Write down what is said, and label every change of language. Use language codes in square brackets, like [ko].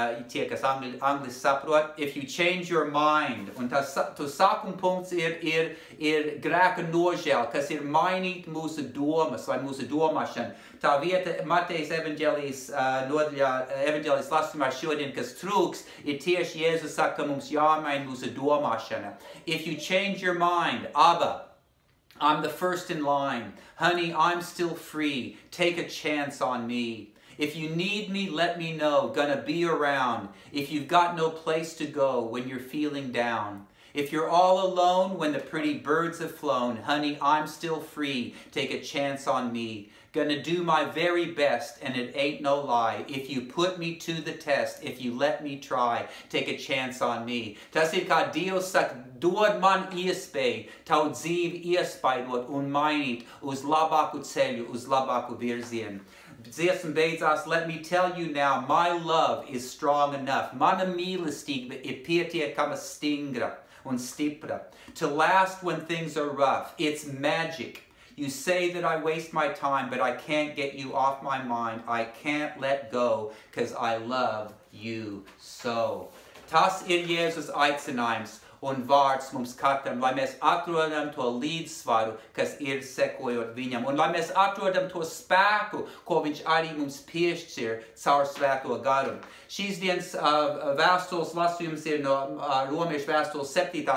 [lv] Tie, kas angli saprot, [en] if you change your mind, [lv] un tas sākumpunkts ir grēka nožēle, kas ir mainīt mūsu domas vai mūsu domāšana. Tā vieta Matejas evaņģēlijas nodaļā, evaņģēlijas lasījumā šodien, kas trūks, ir tieši Jēzus saka, ka mums jāmaina mūsu domāšana. [en] If you change your mind, Abba, I'm the first in line. Honey, I'm still free. Take a chance on me. If you need me, let me know. Gonna be around. If you've got no place to go when you're feeling down. If you're all alone when the pretty birds have flown. Honey, I'm still free. Take a chance on me. Gonna do my very best and it ain't no lie. If you put me to the test, if you let me try, take a chance on me. [lv] Tas ir kā Dievs saka, dod man iespēju, tavu dzīvi iespaidot un mainīt uz labāku ceļu, uz labāku virzienu. Dziesma beidzās, [en] let me tell you now, my love is strong enough. [lv] Mana mīlestība ir pietiekama stingra un stipra. [en] To last when things are rough, it's magic. You say that I waste my time, but I can't get you off my mind. I can't let go, because I love you so. [lv] Tas ir Jēzus aicinājums un vārds mums katram, lai mēs atrodam to līdzsvaru, kas ir sekojot viņam. Un lai mēs atrodam to spēku, ko viņš arī mums piešķir caur svēto garu. Šīs dienas vēstules lasījums ir no Romiešu vēstules 7.